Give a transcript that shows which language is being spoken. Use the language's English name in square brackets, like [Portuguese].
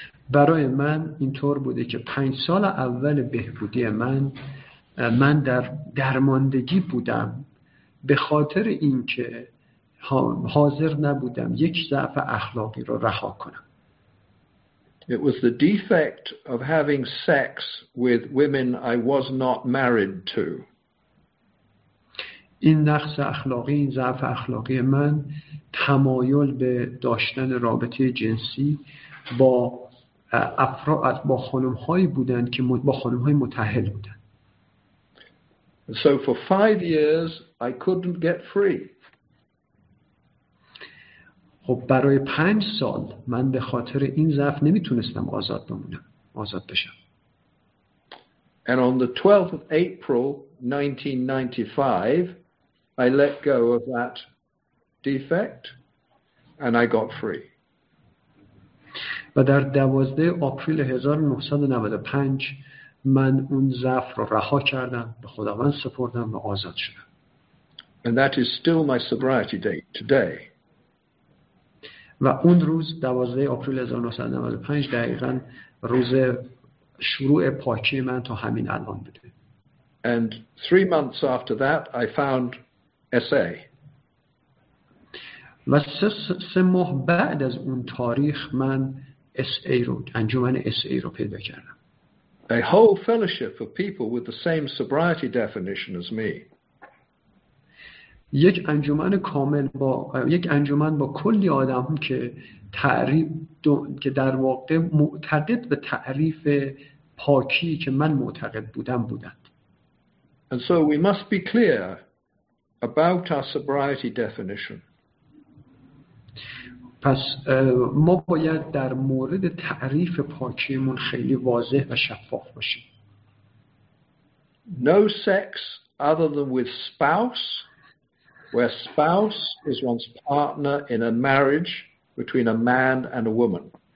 [Persian] برای من اینطور بوده که 5 سال اول بهبودی من من در درماندگی بودم به خاطر اینکه حاضر نبودم یک ضعف اخلاقی رو رها کنم. [English] It was the defect of having sex with women I was not married to. [Persian] این نقص اخلاقی، این ضعف اخلاقی من تمایل به داشتن رابطه جنسی با افراد، با خانم هایی بودند که با خانم های متأهل بودند. [English] So for 5 years I couldn't get free. [Persian] خب برای 5 سال من به خاطر این ضعف نمیتونستم آزاد بمونم، آزاد بشم. [English] And on the 12th of April 1995 I let go of that defect and I got free. [Persian] و در 12 آپریل 1995 من اون ضعف رو رها کردم، به خداوند سپردم و آزاد شدم. [English] And that is still my sobriety date today. [Persian] و اون روز 12 آپریل 1995 دقیقاً روز شروع پاکی من تا همین الان بوده. [English] And 3 months after that I found SA. [Persian] و سه ماه بعد از اون تاریخ من SA رو، انجمن SA رو پیدا کردم. [English] A whole fellowship of people with the same sobriety definition as me. [Persian] یک انجمن کامل با یک انجمن با کلی آدم که تعریف که در واقع معتقد به تعریف پاکی که من معتقد بودم بودند. [English] And so we must be clear about our sobriety definition. [Persian] پس ما باید در مورد تعریف پاکیمون خیلی واضح و شفاف باشیم. [English] No sex other than with spouse, where spouse is one's partner in a marriage between a man and a woman.